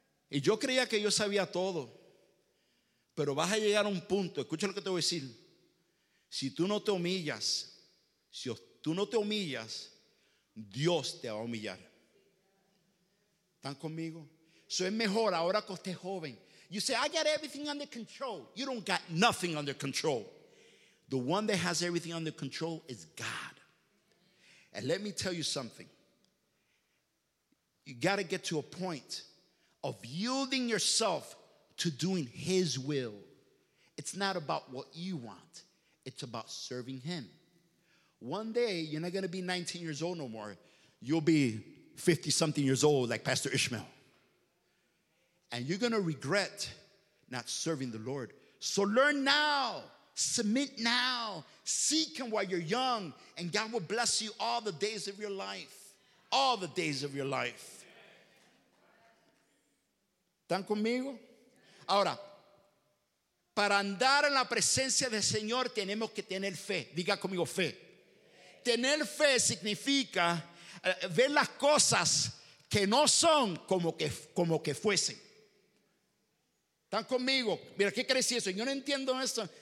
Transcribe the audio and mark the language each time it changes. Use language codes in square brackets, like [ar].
[es] Y yo creía que yo sabía todo. Pero vas a llegar a un punto, escucha lo que te voy a decir. Si tú no te humillas, si tú no te humillas, Dios te va a humillar. ¿Están conmigo? Eso es mejor ahora que usted es joven. [en] You say, I got everything under control. You don't got nothing under control. The one that has everything under control is God. And let me tell you something. You got to get to a point of yielding yourself to doing His will. It's not about what you want. It's about serving Him. One day, you're not going to be 19 years old no more. You'll be 50-something years old like Pastor Ishmael. And you're going to regret not serving the Lord. So learn now. Submit now. Seek Him while you're young. And God will bless you all the days of your life. All the days of your life. [es] ¿Están conmigo? Ahora, para andar en la presencia del Señor, tenemos que tener fe. Diga conmigo: fe. Tener fe significa ver las cosas que no son como que fuesen. ¿Están conmigo? Mira, ¿qué quiere decir eso? Yo no entiendo eso.